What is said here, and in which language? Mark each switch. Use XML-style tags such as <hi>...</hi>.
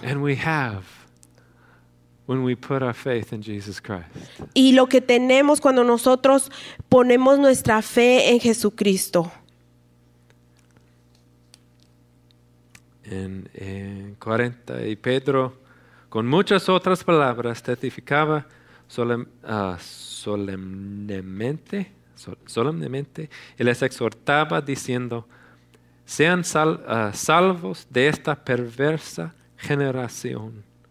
<en>And we have when we put our faith in Jesus Christ.</en> <es>Y lo que tenemos cuando nosotros ponemos nuestra fe en Jesucristo. En 40, y Pedro, con muchas otras palabras, testificaba solemnemente y les exhortaba diciendo, sean salvos de esta perversa generación.</es>